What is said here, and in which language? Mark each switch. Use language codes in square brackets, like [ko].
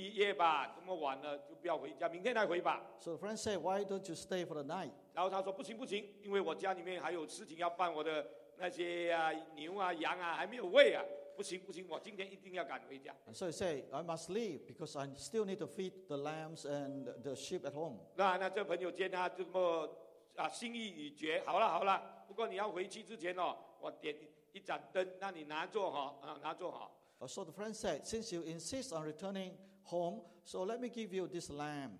[zh] 那这个朋友就说，那你就住宿一夜吧，这么晚了就不要回家，明天再回吧。 [en] So the friend said, why don't you stay for the night? [zh] 然后他说不行不行，因为我家里面还有事情要办，我的那些牛啊羊啊还没有喂啊，不行不行，我今天一定要赶回家。 [en] And so he said, I must leave because I still need to feed the lambs and the sheep at home. [zh] 那这朋友见他这么心意已决，好了好了。不过你要回去之前哦，我点一盏灯，那你拿坐好啊，拿坐好。 [en] So the friend said, since you insist on returning home, so let me give you this lamp.